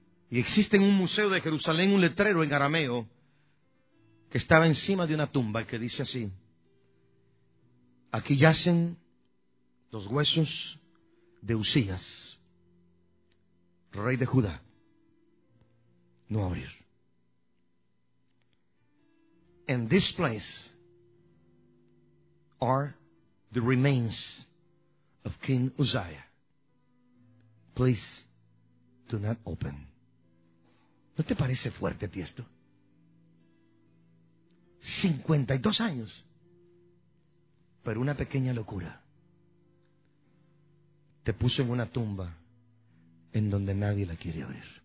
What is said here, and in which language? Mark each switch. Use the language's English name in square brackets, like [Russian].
[Spanish] Y existe en un museo de Jerusalén un letrero en arameo que estaba encima de una tumba y que dice así: aquí yacen los huesos de Usías, rey de Judá. No abrir. [English] In this place are the remains of King Uzziah. Please do not open. [Spanish] ¿No te parece fuerte a ti esto? 52 años. Pero una pequeña locura te puso en una tumba en donde nadie la quiere abrir.